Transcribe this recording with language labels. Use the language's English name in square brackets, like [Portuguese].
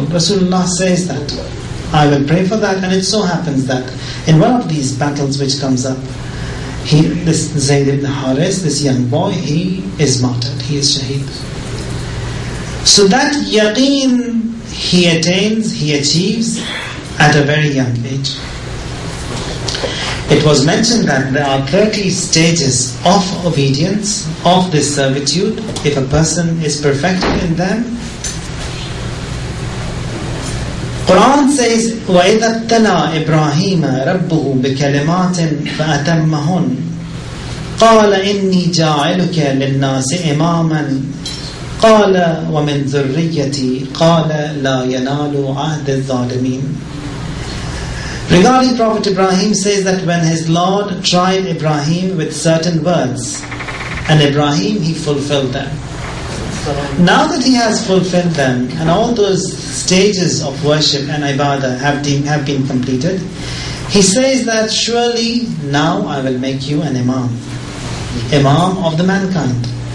[English] Rasulullah says that, "I will pray for that." And it so happens that in one of these battles which comes up, this Zayd ibn Harith, this young boy, he is martyred, he is shaheed. So that yaqeen he attains, he achieves at a very young age. It was mentioned that there are 30 stages of obedience, of this servitude. [Arabic] If a person is perfected in them, Quran says, وَإِذَا ابْتَلَى إِبْرَاهِيمَ رَبُّهُ بِكَلِمَاتٍ فَأَتَمَّهُنْ قَالَ إِنِّي جَاعِلُكَ لِلنَّاسِ إِمَامًا قَالَ وَمِنْ ذُرِّيَّتِي قَالَ لَا يَنَالُ عَهْدِ الظَّالِمِينَ. [English] Regarding Prophet Ibrahim says that when his Lord tried Ibrahim with certain words, and Ibrahim, he fulfilled them. Now that he has fulfilled them, and all those stages of worship and ibadah have been completed, he says that, "Surely now I will make you an imam, imam of the mankind."